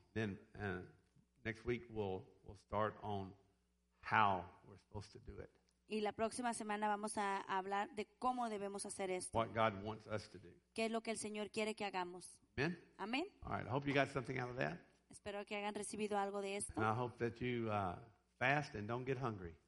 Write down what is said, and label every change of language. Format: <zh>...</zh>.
<en>Then next week we'll start on how we're supposed to do it.</en> <es>Y la próxima semana vamos a hablar de cómo debemos hacer esto.</es> <en>What God wants us to do.</en> <es>¿Qué es lo que el Señor quiere que hagamos?</es> <en>Amen.</en> <es>Amen.</es> <en>All right. I hope you got something out of that.</en> <es>Espero que hayan recibido algo de esto.</es> <en>And I hope that you fast and don't get hungry.</en>